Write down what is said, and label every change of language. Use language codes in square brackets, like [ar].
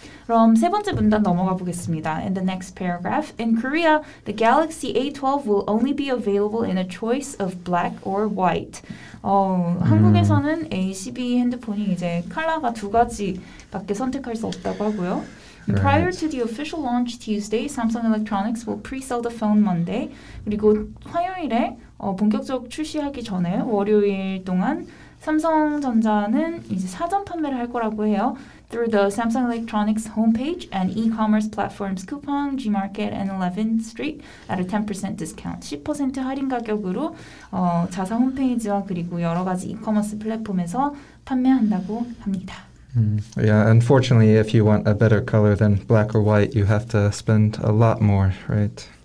[ko] 그럼 세 번째 문단 넘어가 보겠습니다. [en] In the next paragraph, in Korea, the Galaxy A12 will only be available in a choice of black or white. [ko] 한국에서는 A12 핸드폰이 이제 컬러가 두 가지밖에 선택할 수 없다고 하고요. [en] Right. Prior to the official launch Tuesday, Samsung Electronics will pre-sell the phone Monday. [ko] 그리고 화요일에 본격적 출시하기 전에 월요일 동안 삼성전자는 이제 사전 판매를 할 거라고 해요. [en] Through the Samsung Electronics homepage and e-commerce platforms Coupang, G-Market, and 11th Street at a 10% discount. [ko] 10% 할인 가격으로 자사 홈페이지와 그리고 여러 가지 e-commerce 플랫폼에서 판매한다고 합니다. [en] Yeah, unfortunately, if you want a better color than black or white, you have to spend a lot more, right?